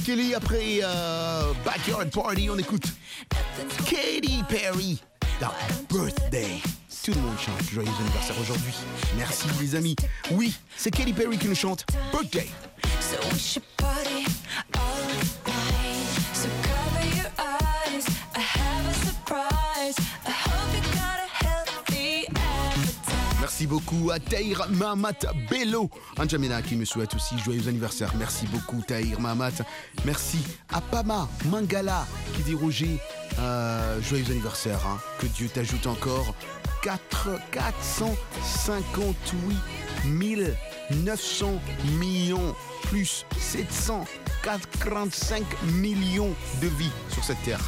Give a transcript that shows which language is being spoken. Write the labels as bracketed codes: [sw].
[fr] Kelly, après Backyard Party, on écoute Katy Perry dans Birthday. Tout le monde chante joyeux anniversaire aujourd'hui. Merci les amis. Oui, c'est Katy Perry qui nous chante Birthday. [en] So we should party all night. So cover your eyes, I have a surprise. I hope you got a healthy appetite. [fr] Merci beaucoup à Tahir Mahamat Bello, Anjamena qui me souhaite aussi joyeux anniversaire. Merci beaucoup Tahir Mahamat. Merci à Pama Mangala qui dit Roger, joyeux anniversaire, hein. Que Dieu t'ajoute encore 458 900 millions plus 745 millions de vies sur cette terre.